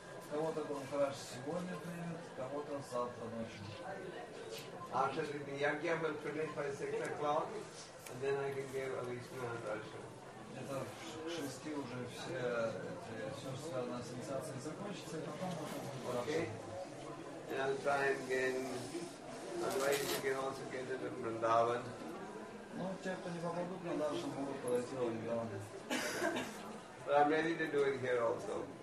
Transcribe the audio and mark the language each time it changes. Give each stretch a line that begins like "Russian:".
Russian: Кого-то он хорошо сегодня примет, кого-то завтра ночью.
English: After the yagya will finish by 6 o'clock, and then I can give a Lishna darshan.
Russian: Это в 6 уже все связанные с инициацией закончится, и потом можно будет хорошо.
English: And I'll try again. Otherwise you can also get it in Vrindavan.
Russian: Ну, те, кто не попадут на даршан, могут подойти в Вриндаване.
English: But I'm ready to do it here also.